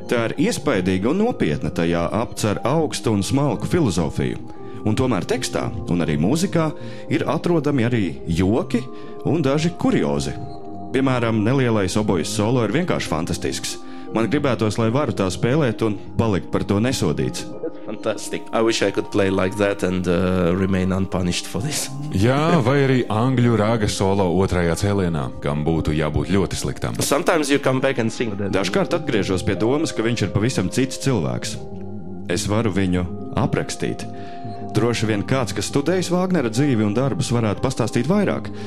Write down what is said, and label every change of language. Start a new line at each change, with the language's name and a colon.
Latvian: Tā ir iespaidīga un nopietna, tajā apcer augstu un smalku filozofiju. Un tomēr tekstā un arī mūzikā ir atrodami arī joki un daži kuriozi. Piemēram, nelielais obojas solo ir vienkārši fantastisks. Man gribētos, lai varu tā spēlēt un palikt par to nesodīts.
English: Fantastic. I wish I could play like that and remain unpunished for this.
Latvian: Jā, vai arī angļu rāga solo 2. cēlienā, kam būtu jābūt ļoti sliktam.
English: Sometimes you come back and sing.
Latvian: Dažkārt atgriežos pie domas, ka viņš ir pavisam cits cilvēks. Es varu viņu aprakstīt. Droši vien kāds, kas studējis Vāgnera dzīvi un darbus, varētu pastāstīt vairāk.